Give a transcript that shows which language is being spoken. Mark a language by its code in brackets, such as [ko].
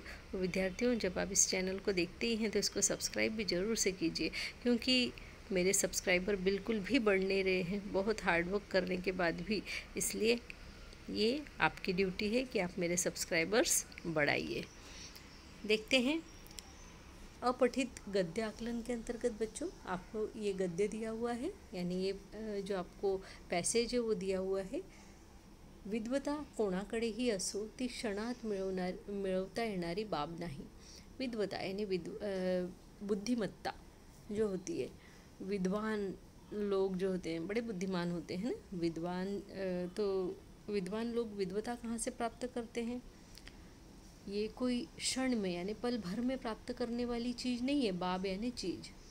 [hi] और विद्यार्थियों, जब आप इस चैनल को देखते ही हैं तो इसको सब्सक्राइब भी ज़रूर से कीजिए, क्योंकि मेरे सब्सक्राइबर बिल्कुल भी बढ़ नहीं रहे हैं बहुत हार्डवर्क करने के बाद भी, इसलिए ये आपकी ड्यूटी है कि आप मेरे सब्सक्राइबर्स बढ़ाइए। देखते हैं अपठित गद्य आकलन के अंतर्गत। बच्चों, आपको ये गद्य दिया हुआ है, यानी ये जो आपको पैसेज है वो दिया हुआ है। [mr] विद्वता कोणाकडे ही असो ती क्षणात मिळवता येणारी बाब नाही। [hi] विद्वता यानी बुद्धिमत्ता जो होती है, विद्वान लोग जो होते हैं बड़े बुद्धिमान होते हैं ना, विद्वान, तो विद्वान लोग विद्वता कहाँ से प्राप्त करते हैं? ये कोई क्षण में यानी पल भर में प्राप्त करने वाली चीज नहीं है बाब यानी चीज।